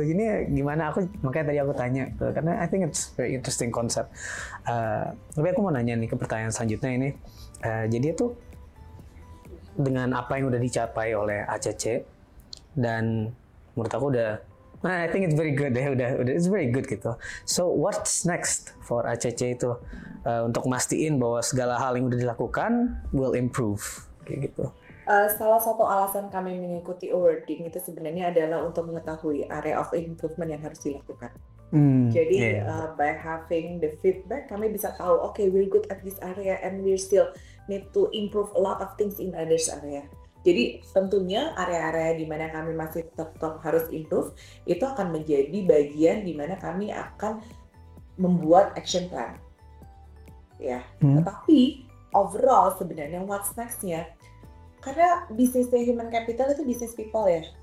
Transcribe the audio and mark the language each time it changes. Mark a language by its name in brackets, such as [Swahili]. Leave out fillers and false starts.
[Indonesian] Jadi gimana aku, makanya tadi aku tanya karena [English] I think it's very interesting concept. [Indonesian] Tapi aku mau nanya nih ke pertanyaan selanjutnya ini. Jadi itu dengan apa yang udah dicapai oleh ACC dan menurut aku udah [English] I think it's very good [Indonesian] deh, udah [English] it's very good [Indonesian] gitu. [English] So what's next for [Indonesian] ACC itu untuk mastiin bahwa segala hal yang udah dilakukan [English] will improve. [Indonesian] Salah satu alasan kami mengikuti awarding itu sebenarnya adalah untuk mengetahui area of improvement yang harus dilakukan. [English] By having the feedback, [Indonesian] kami bisa tahu, [English] we're good at this area and we still need to improve a lot of things in others area. [Indonesian] Jadi tentunya area-area di mana kami masih tetap harus improve itu akan menjadi bagian di mana kami akan membuat action plan. Tetapi overall sebenarnya what's next-nya, karena bisnisnya human capital itu bisnis people ya.